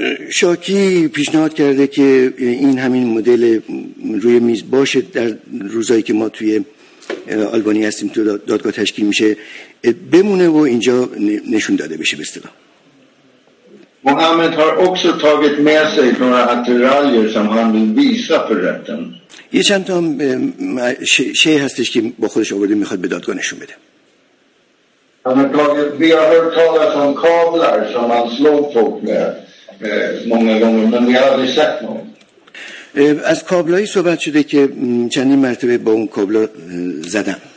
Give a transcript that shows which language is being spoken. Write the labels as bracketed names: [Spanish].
[Persian] شاکی پیشنهاد کرده که این همین مدل روی میز باشه در روزایی که ما توی آلبانی هستیم تو دادگاه تشکیل میشه بمونه و اینجا نشون داده بشه به اصطلاح. [Swedish] Mohammed har också tagit med sig några attiraljer som han vill visa för rätten. [Persian] یه چند تا شی هستش که با خودش آورده میخواد به دادگاه نشون بده. [Swedish] Vi har hört talas om kablar som han slog folk med många gånger, men vi har aldrig sett någon. [Persian] از کابلایی صحبت شده که چندین مرتبه با اون کابلا زدم.